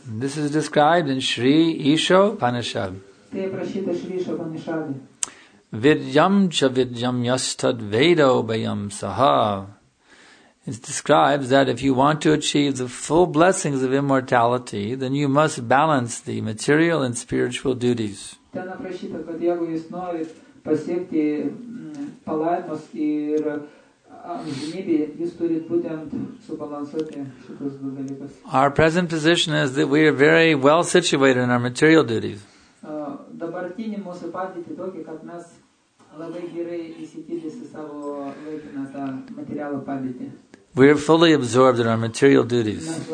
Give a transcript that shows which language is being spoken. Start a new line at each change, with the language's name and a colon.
English: This is described in Sri Isha Upanishad.
Sanskrit: Vidyam cha vidyam yastad vedo bayam saha.
English: It describes that if you want to achieve the full blessings of immortality, then you must balance the material and spiritual duties.
Lithuanian: Ten aprašyta, kad jeigu jūs norit pasiekti palaimos ir amžinybę, jūs turit būtent subalansuoti šitus du dalykus.
English: Our present position is that we are very well situated in our material duties.
Lithuanian: Dabartinį mūsų padėtį tokį, kad mes labai gerai įsitikinę savo laikiną tą materialų padėtį.
English: We are fully absorbed in our material duties.